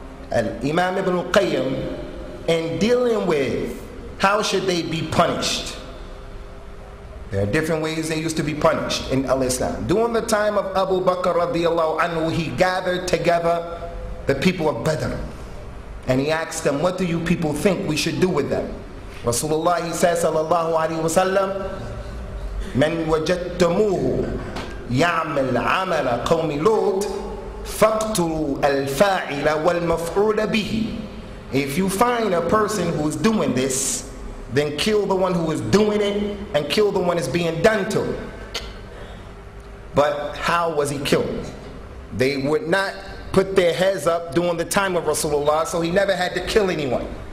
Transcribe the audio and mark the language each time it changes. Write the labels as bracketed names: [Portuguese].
[English] Al-Imam ibn al-Qayyim, in dealing with how should they be punished, there are different ways they used to be punished in al-Islam. During the time of Abu Bakr radiallahu anhu, he gathered together the people of Badr, and he asked them, what do you people think we should do with them? Rasulullah, he says, sallallahu alayhi wa sallam, [Arabic] من وجدتموه يعمل عمل قوم لوط فاقتلوا الفاعل والمفعول به. [English] If you find a person who is doing this, then kill the one who is doing it and kill the one it's being done to. But how was he killed? They would not put their heads up during the time of Rasulullah, so he never had to kill anyone.